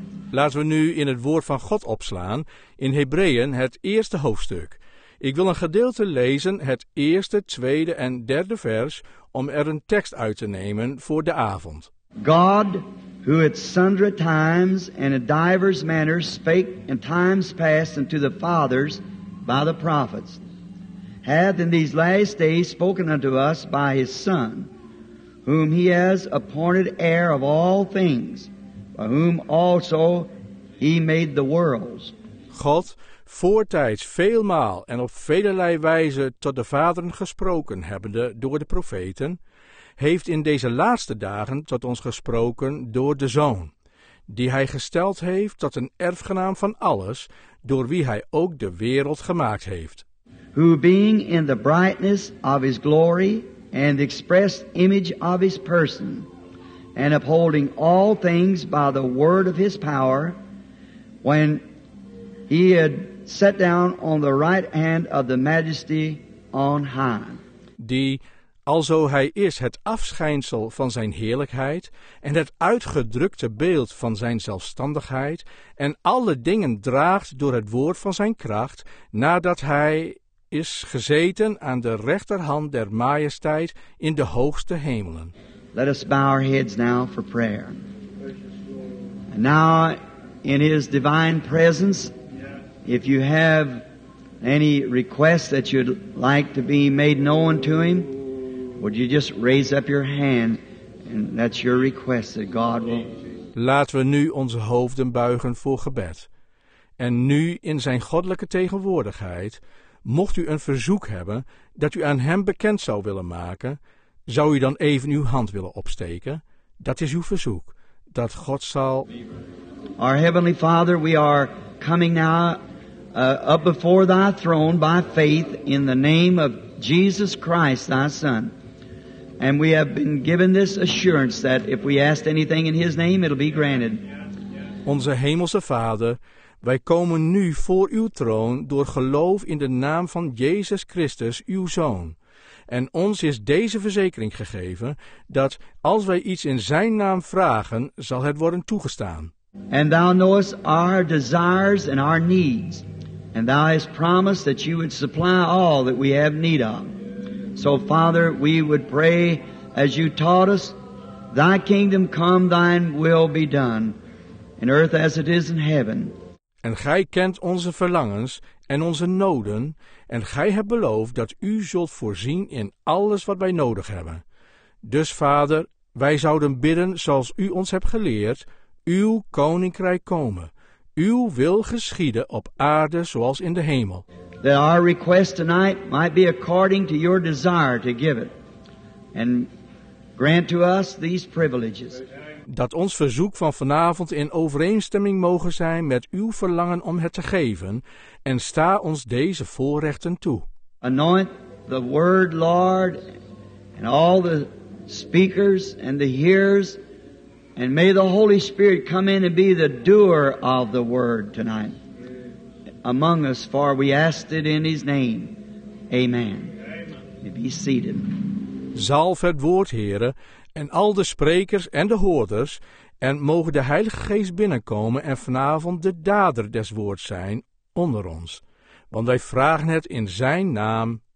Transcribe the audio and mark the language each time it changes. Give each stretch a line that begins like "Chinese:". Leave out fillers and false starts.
Dutch: Laten we nu in het woord van God opslaan, in Hebreeën het eerste hoofdstuk. Ik wil een gedeelte lezen, het eerste, tweede en derde vers, om er een tekst uit te nemen voor de avond.
English: God, who at sundry times and in divers manners spake in times past unto the fathers by the prophets, hath in these last days spoken unto us by his Son, whom he has appointed heir of all things, by whom also he made the worlds.
Dutch: God, voortijds veelmaal en op velerlei wijze tot de vaderen gesproken hebbende door de profeten, heeft in deze laatste dagen tot ons gesproken door de Zoon, die hij gesteld heeft tot een erfgenaam van alles, door wie hij ook de wereld gemaakt heeft.
English: Who being in the brightness of his glory and the express image of his person, and upholding all things by the word of his power, when he had sat down on the right hand of the majesty on high.
Dutch: Die, alzo hij is het afschijnsel van zijn heerlijkheid en het uitgedrukte beeld van zijn zelfstandigheid en alle dingen draagt door het woord van zijn kracht, nadat hij is gezeten aan de rechterhand der majesteit in de hoogste hemelen.
English: Let us bow our heads now for prayer. And now, in his divine presence, if you have any requests that you'd like to be made known to him, would you just raise up your hand, and that's your request that God will...
Dutch: Laten we nu onze hoofden buigen voor gebed. En nu, in zijn goddelijke tegenwoordigheid, mocht u een verzoek hebben dat u aan hem bekend zou willen maken, zou u dan even uw hand willen opsteken? Dat is uw verzoek, dat God zal...
English: Our Heavenly Father, we are coming now up before thy throne by faith in the name of Jesus Christ, thy Son. And we have been given this assurance that if we ask anything in his name, it'll be granted.
Dutch: Onze Hemelse Vader, wij komen nu voor uw troon door geloof in de naam van Jezus Christus, uw Zoon. En ons is deze verzekering gegeven, dat als wij iets in zijn naam vragen, zal het worden toegestaan.
English: And thou knowest our desires and our needs, and thou hast promised that you would supply all that we have need of. So, Father, we would pray as you taught us, thy kingdom come, thine will be done, in earth as it is in heaven.
Dutch: En gij kent onze verlangens en onze noden, en gij hebt beloofd dat u zult voorzien in alles wat wij nodig hebben. Dus, Vader, wij zouden bidden zoals u ons hebt geleerd, uw koninkrijk komen, uw wil geschieden op aarde zoals in de hemel.
English: That our request tonight might be according to your desire to give it, and grant to us these privileges.
Dutch: Dat ons verzoek van vanavond in overeenstemming mogen zijn met uw verlangen om het te geven, en sta ons deze voorrechten toe.
English: Anoint the word, Lord, and all the speakers and the hearers, and may the Holy Spirit come in and be the doer of the word tonight among us, for we ask it in his name. Amen. Amen. Be seated.
Dutch: Zalf het woord, Heere, en al de sprekers en de hoorders, en mogen de Heilige Geest binnenkomen en vanavond de dader des woords zijn onder ons. Want wij vragen het in zijn naam.